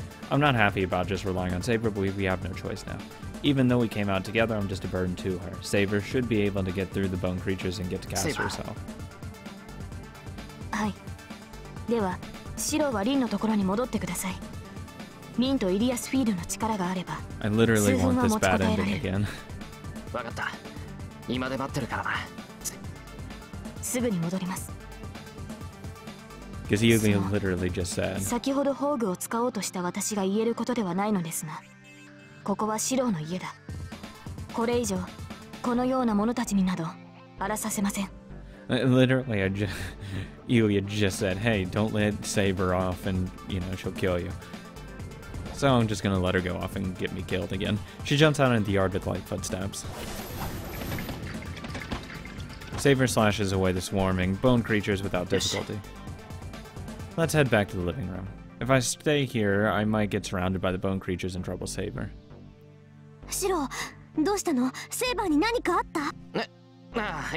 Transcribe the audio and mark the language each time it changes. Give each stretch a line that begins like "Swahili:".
English: I'm not happy about just relying on Saber, but we have no choice now. Even though we came out together, I'm just a burden to her. Saber should be able to get through the bone creatures and get to cast herself.
Japanese: はい。では、シロはリンのところに戻ってください。リンとイリアスフィールの力があれば、
English: I literally want this bad ending again.
Japanese: わかった。今で待ってるからな。すぐに戻ります。
English: Because Yumi literally just said.
Japanese: 先ほど宝具を使おうとした私が言えることではないのですが、ここはシローの家だ。これ以上このような者たちになど荒らさせません。
English: Literally, Ilya just said, hey, don't let Saber off and, you know, she'll kill you. So I'm just gonna let her go off and get me killed again. She jumps out into the yard with light footsteps. Saber slashes away the swarming bone creatures without difficulty. Yes. Let's head back to the living room. If I stay here, I might get surrounded by the bone creatures and trouble Saber.
Japanese: Shiro, どうしたの? セイバーに何かあった?